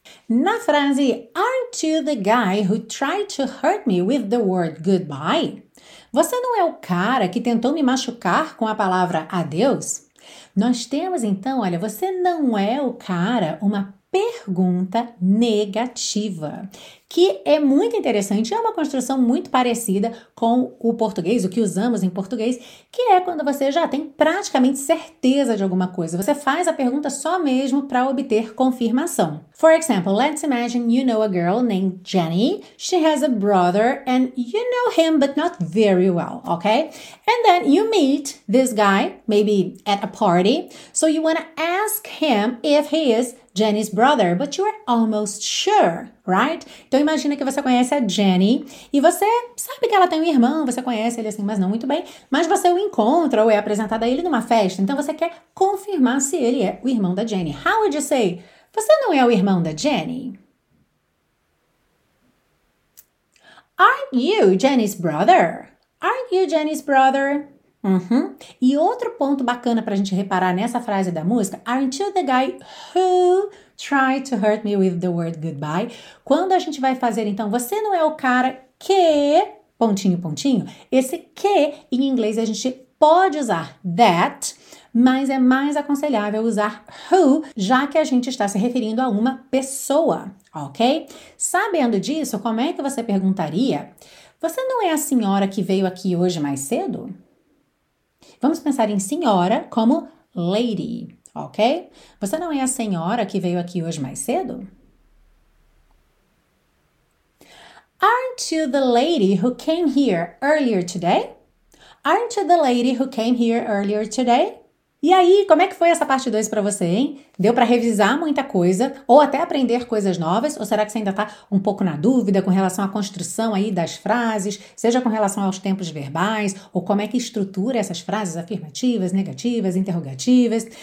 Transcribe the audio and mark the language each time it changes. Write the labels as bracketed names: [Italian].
[Portuguese] Na frase, [English] aren't you the guy who tried to hurt me with the word goodbye? [Portuguese] Você não é o cara que tentou me machucar com a palavra adeus? Nós temos então, olha, você não é o cara, uma pergunta negativa, que é muito interessante, é uma construção muito parecida com o português, o que usamos em português, que é quando você já tem praticamente certeza de alguma coisa. Você faz a pergunta só mesmo para obter confirmação. [English] For example, let's imagine you know a girl named Jenny. She has a brother and you know him, but not very well, okay? And then you meet this guy, maybe at a party. So you want to ask him if he is Jenny's brother, but you are almost sure, right? [Portuguese] Então imagina que você conhece a Jenny e você sabe que ela tem um irmão, você conhece ele assim, mas não muito bem, mas você o encontra ou é apresentado a ele numa festa, então você quer confirmar se ele é o irmão da Jenny. [English] How would you say, [Portuguese] você não é o irmão da Jenny? [English] Aren't you Jenny's brother? Aren't you Jenny's brother? Uhum. [Portuguese] E outro ponto bacana pra gente reparar nessa frase da música, [English] aren't you the guy who tried to hurt me with the word goodbye? [Portuguese] Quando a gente vai fazer, então, você não é o cara que, pontinho, pontinho, esse que em inglês a gente pode usar that, mas é mais aconselhável usar who, já que a gente está se referindo a uma pessoa, ok? Sabendo disso, como é que você perguntaria, você não é a senhora que veio aqui hoje mais cedo? Vamos pensar em senhora como lady, ok? Você não é a senhora que veio aqui hoje mais cedo? [English] Aren't you the lady who came here earlier today? Aren't you the lady who came here earlier today? [Portuguese] E aí, como é que foi essa parte 2 para você, hein? Deu para revisar muita coisa ou até aprender coisas novas? Ou será que você ainda está um pouco na dúvida com relação à construção aí das frases, seja com relação aos tempos verbais ou como é que estrutura essas frases afirmativas, negativas, interrogativas?